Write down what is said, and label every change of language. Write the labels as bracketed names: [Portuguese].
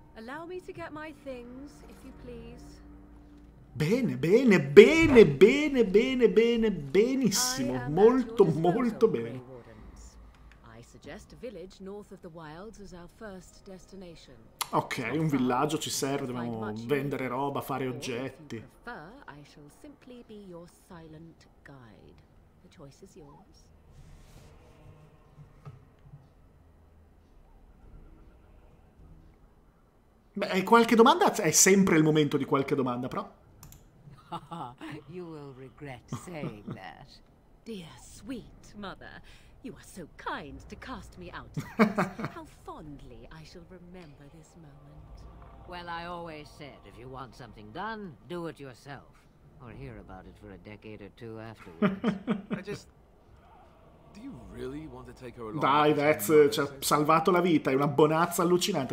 [English] Allow me to get my things, if you please. [Italian] Bene, benissimo, molto bene. [English] I suggest a village north of the wilds as our first destination. [Italian] Ok, un villaggio ci serve, dobbiamo vendere roba, fare oggetti. [English] I shall simply be your silent guide. The choice is yours. [Italian] Beh, qualche domanda, è sempre il momento di qualche domanda, però. [English] You will regret saying that. Dear sweet mother, you are so kind to cast me out. How fondly I shall remember this moment. Well, I always said, if you want something done, do it yourself. Or hear about it for a decade or two afterwards. I just... Do you really want to take her along? [Italian] Dai, Vetz, ci ha salvato la vita, è una bonazza allucinante.